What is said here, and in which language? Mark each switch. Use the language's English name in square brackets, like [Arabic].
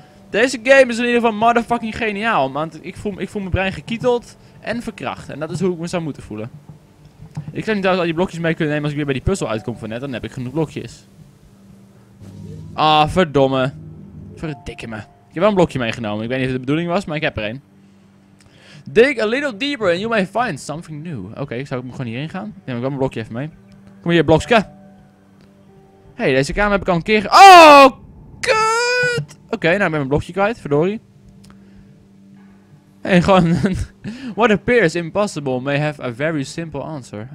[Dutch] Deze game is in ieder geval motherfucking geniaal. Want ik voel mijn brein gekieteld en verkracht. En dat is hoe ik me zou moeten voelen. Ik zou niet trouwens al die blokjes mee kunnen nemen als ik weer bij die puzzel uitkom van net. Dan heb ik genoeg blokjes. Ah, verdomme. Verdikke me. Ik heb wel een blokje meegenomen. Ik weet niet of het de bedoeling was, maar ik heb er een. [English] Dig a little deeper and you may find something new. [Dutch] Oké, zou ik gewoon hierheen gaan? Neem ik wel mijn blokje even mee. Kom hier, blokske. Hey, deze kamer heb ik al een keer... Oh, kut! Oké, nou ik ben mijn blokje kwijt. Verdorie. Hey, gewoon... [English] What appears impossible may have a very simple answer.